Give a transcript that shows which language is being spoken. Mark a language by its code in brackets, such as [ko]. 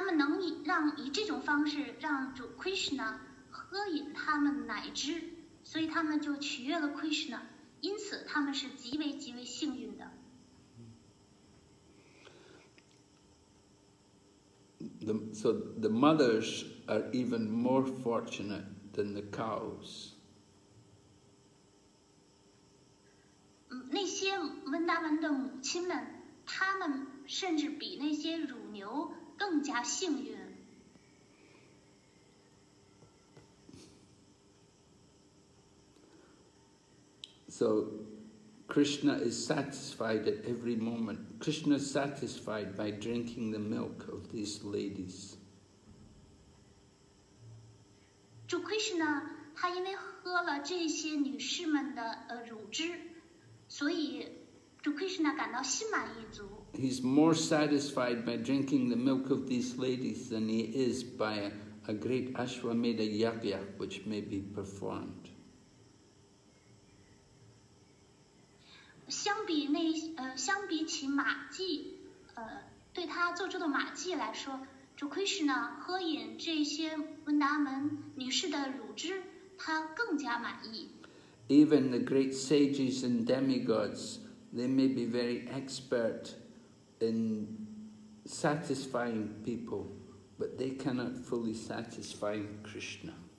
[zh] 他们能以这种方式让主 Krishna 喝饮他们奶汁, 所以他们就取悦了 Krishna, 因此他们是极为极为幸运的。 [en] So the mothers are even more fortunate than the cows. [zh] 那些文达文的母亲们, 他们甚至比那些乳牛 更加幸运。 [en] So Krishna is satisfied at every moment. Krishna is satisfied by drinking the milk of these ladies. [zh] 主 Krishna, 他因为喝了这些女士们的 乳汁, 所以主 Krishna 感到心满意足。 [en] He's more satisfied by drinking the milk of these ladies than he is by a great Ashwamedha yagya which may be performed. [zh] 相比起马迹，对他做出的马迹来说， 主 Krishna 喝饮这些文达门女士的乳汁，他更加满意。 [en] Even the great sages and demigods, they may be very expert in satisfying people, but they cannot fully satisfy Krishna.